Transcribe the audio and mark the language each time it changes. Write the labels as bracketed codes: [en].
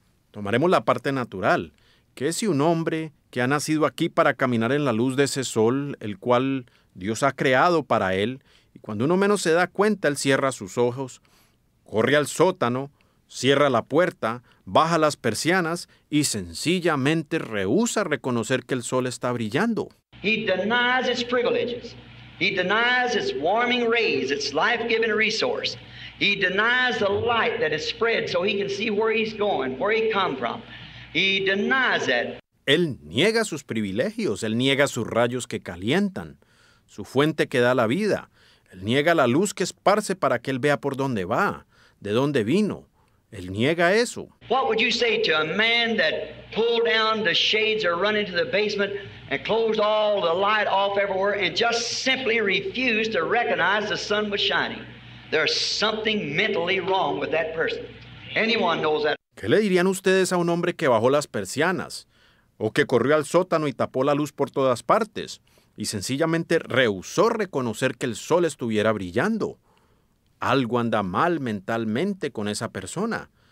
[es] Tomaremos la parte natural. ¿Qué si un hombre que ha nacido aquí para caminar en la luz de ese sol, el cual Dios ha creado para él, y cuando uno menos se da cuenta, él cierra sus ojos, corre al sótano, cierra la puerta, baja las persianas y sencillamente rehúsa reconocer que el sol está brillando? [en] He denies its privileges. He denies its warming rays, its life-giving resource. He denies the light that is spread so he can see where he's going, where he come from. He denies that. [es] Él niega sus privilegios, él niega sus rayos que calientan, su fuente que da la vida. Él niega la luz que esparce para que él vea por dónde va, de dónde vino. Él niega eso. [en] What would you say to a man that pulled down the shades or run into the basement and closed all the light off everywhere and just simply refused to recognize the sun was shining? There's something mentally wrong with that person. Anyone knows that. [es] ¿Qué le dirían ustedes a un hombre que bajó las persianas o que corrió al sótano y tapó la luz por todas partes y sencillamente rehusó reconocer que el sol estuviera brillando? Algo anda mal mentalmente con esa persona.